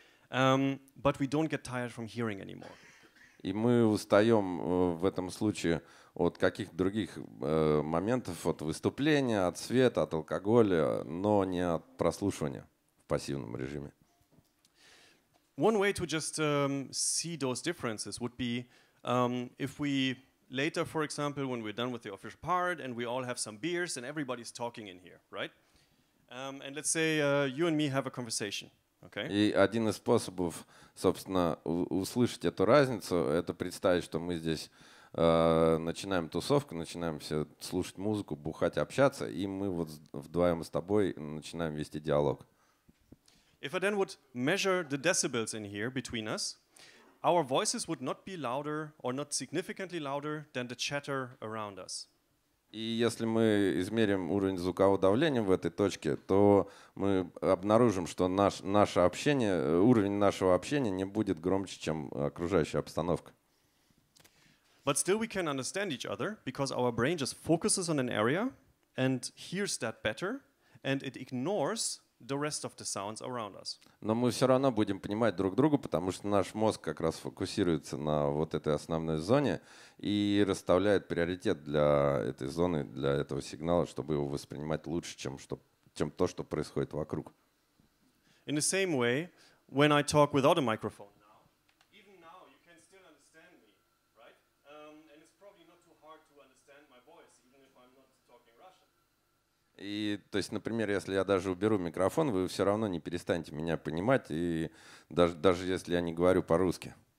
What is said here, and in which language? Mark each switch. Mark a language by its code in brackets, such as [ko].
[en] But we don't get tired from hearing anymore. [ru] И мы устаем в этом случае от каких-то других моментов, от выступления, от света, от алкоголя, но не от прослушивания в пассивном режиме. [en] One way to just see those differences would be if we later, for example, when we're done with the official part and we all have some beers and everybody's talking in here, right? And let's say you and me have a conversation. Okay. [ru] И один из способов, собственно, услышать эту разницу, это представить, что мы здесь начинаем тусовку, начинаем все слушать музыку, бухать, общаться, и мы вот вдвоем с тобой начинаем вести диалог. [en] If I then would measure the decibels in here between us, our voices would not be louder or not significantly louder than the chatter around us. [ru] И если мы измерим уровень звукового давления в этой точке, то мы обнаружим, что наше общение, уровень нашего общения не будет громче, чем окружающая обстановка. [en] But still we can understand each other, because our brain just focuses on an area and hears that better, and it ignores the rest of the sounds around us. [ru] Но мы все равно будем понимать друг друга, потому что наш мозг как раз фокусируется на вот этой основной зоне и расставляет приоритет для этой зоны, для этого сигнала, чтобы его воспринимать лучше, чем то, что происходит вокруг. [en] In the same way, when I talk without a microphone now, even now you can still understand me, right? And it's probably not too hard to understand my voice, even if I'm not talking Russian. [ru] И, то есть, например, если я даже уберу микрофон, вы все равно не перестанете меня понимать, и даже если я не говорю по-русски.